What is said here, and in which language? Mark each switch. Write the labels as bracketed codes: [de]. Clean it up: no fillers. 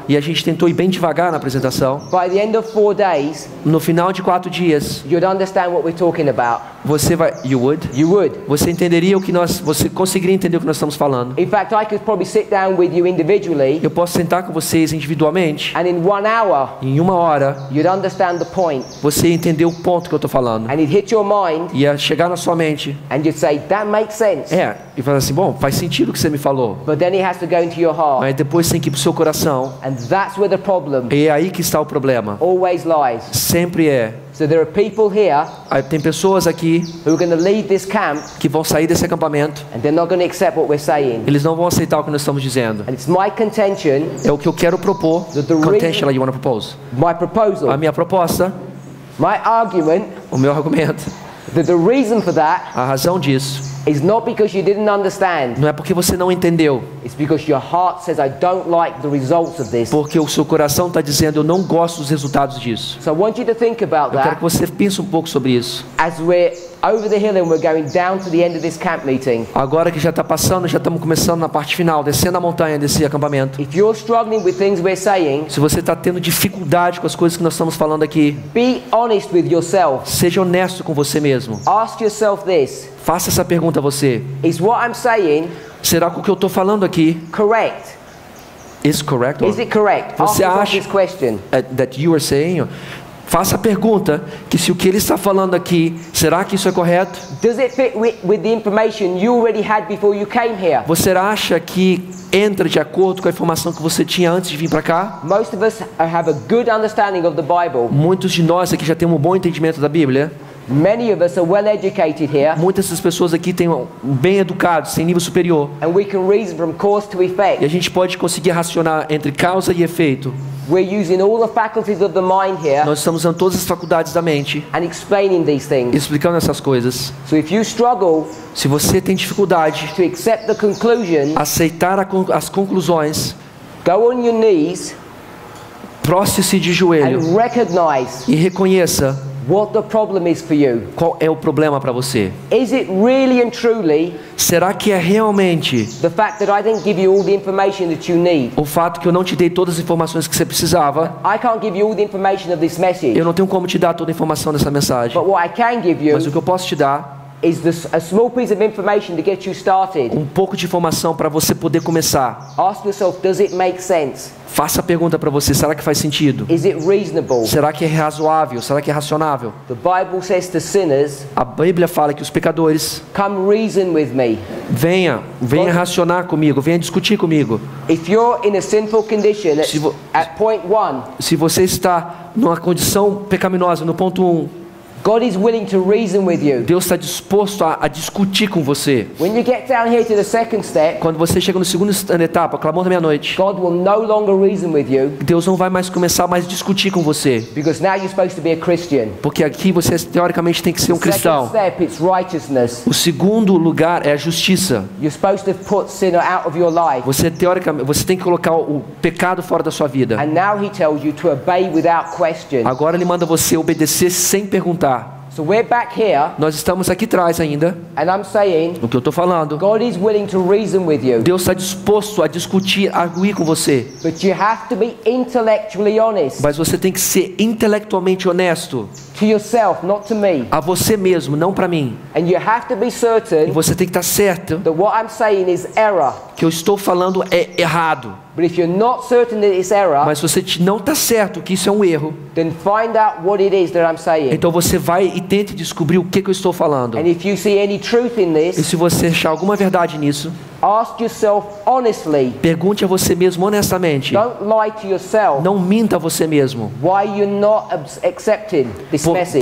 [pt] e a gente tentou ir bem devagar na apresentação, [en] by the end of 4 days, [pt] no final de 4 dias, [en] you'd understand what we're talking about. [pt] Você vai, [en] you would. [pt] Você entenderia o que nós, você conseguiria entender o que nós estamos falando. [en] In fact, I could probably sit down with you individually, [pt] eu posso sentar com vocês individualmente, [en] and in 1 hour, [pt] em uma hora, [en] you'd understand the point, [pt] você entender o ponto que eu estou falando, [en] and it hit your mind, [pt] ia chegar na sua mente, [en] and you'd say, that makes sense. [pt] É, e falar assim, bom, faz sentido o que você me falou, [en] but then it has to go into your heart, [pt] mas depois tem que ir para o seu coração, [en] and that's where the problem, [pt] e é aí que está o problema. [en] Always lies. [pt] Sempre é. [en] So there are people here, [pt] tem pessoas aqui, [en] who are going to leave this camp, [pt] que vão sair desse acampamento, [en] and they're not going to accept what we're saying. [pt] Eles não vão aceitar o que nós estamos dizendo. [en] And it's my contention, [pt] é o que eu quero propor. [en] The contention that you want to propose. My proposal. [pt] A minha proposta. [en] My argument, [pt] o meu argumento, [en] that the reason for that, [pt] a razão disso, [en] is not because you didn't understand. [pt] Não é porque você não entendeu. [en] It's because your heart says I don't like the results of this. [pt] Porque o seu coração está dizendo eu não gosto dos resultados disso. [en] So I want you to think about that. [pt] Eu quero que você pense um pouco sobre isso. [en] As we're over the hill and we're going down to the end of this camp meeting. [pt] Agora que já está passando, já estamos começando na parte final, descendo a montanha desse acampamento. [en] If you're struggling with things we're saying, [pt] se você está tendo dificuldade com as coisas que nós estamos falando aqui, [en] be honest with yourself. [pt] Seja honesto com você mesmo. [en] Ask yourself this. [pt] Faça essa pergunta a você. [en] Is what I'm saying, [pt] será que o que eu estou falando aqui [en] correct? Is correct? Is it correct? [pt] Você acha [en] that you are saying? [pt] Faça a pergunta que se o que ele está falando aqui, será que isso é correto? [en] Does it fit with the information you already had before you came here? [pt] Você acha que entra de acordo com a informação que você tinha antes de vir para cá? [en] Most of us have a good understanding of the Bible. [pt] Muitos de nós aqui já temos um bom entendimento da Bíblia. [en] Many of us are well educated here. [pt] Muitas das pessoas aqui têm bem educados, têm nível superior. [en] And we can reason from cause to effect. [pt] E a gente pode conseguir racionar entre causa e efeito. [en] We're using all the faculties of the mind here. [pt] Nós estamos usando todas as faculdades da mente. [en] And explaining these things. [pt] Explicando essas coisas. [en] So if you struggle, [pt] se você tem dificuldade, [en] to accept the conclusion, [pt] aceitar as conclusões, [en] go on your knees, [pt] prostre-se de joelho, [en] and recognize, [pt] e reconheça. [en] What the problem is for you? [pt] Qual é o problema para você? [en] Is it really and truly? [pt] Será que é realmente? [en] The fact that I didn't give you all the information that you need. [pt] O fato que eu não te dei todas as informações que você precisava. [en] I can't give you all the information of this message. [pt] Eu não tenho como te dar toda a informação dessa mensagem. [en] But what I can give you. [pt] Mas o que eu posso te dar? [en] Is this a small piece of information to get you started? [pt] Um pouco de informação para você poder começar. [en] Ask yourself, does it make sense? [pt] Faça a pergunta para você, será que faz sentido? [en] Is it reasonable? [pt] Será que é razoável? Será que é racionável? [en] The Bible says to sinners, [pt] a Bíblia fala que os pecadores, [en] come reason with me. [pt] Venha racionar comigo, venha discutir comigo. [en] If you're in a sinful condition, at point one, [pt] se você está numa condição pecaminosa no ponto 1, [en] God is willing to reason with you. [pt] Deus está disposto a discutir com você. [en] When you get down here to the second step, [pt] quando você chega no segundo etapa, clamor da meia-noite, [en] God will no longer reason with you. [pt] Deus não vai mais começar mais discutir com você. [en] Because now you're supposed to be a Christian. [pt] Porque aqui você teoricamente tem que ser um cristão. [en] The second step, it's righteousness. [pt] O segundo lugar é a justiça. [en] You're supposed to put sin out of your life. [pt] Você tem que colocar o pecado fora da sua vida. [en] And now he tells you to obey without question. [pt] Agora ele manda você obedecer sem perguntar. [en] So we're back here, [pt] nós estamos aqui atrás ainda. [en] And I'm saying, [pt] o que eu estou falando, [en] God is willing to reason with you. [pt] Deus está disposto a discutir, a arguir com você. [en] But you have to be intellectually honest. [pt] Mas você tem que ser intelectualmente honesto. [en] To yourself, not to me. [pt] A você mesmo, não para mim. [en] And you have to be certain, [pt] e você tem que estar certo, [en] that what I'm saying is error. [pt] Que eu estou falando é errado. [en] But if you're not certain that it's error, [pt] mas você não está certo que isso é um erro, [en] then find out what it is that I'm saying. [pt] Então você vai e tente descobrir o que eu estou falando. [en] And if you see any truth in this, [pt] e se você achar alguma verdade nisso, [en] ask yourself honestly, [pt] pergunte a você mesmo honestamente. [en] Don't lie to yourself, [pt] não minta a você mesmo. [en] Why you're not accepting this message.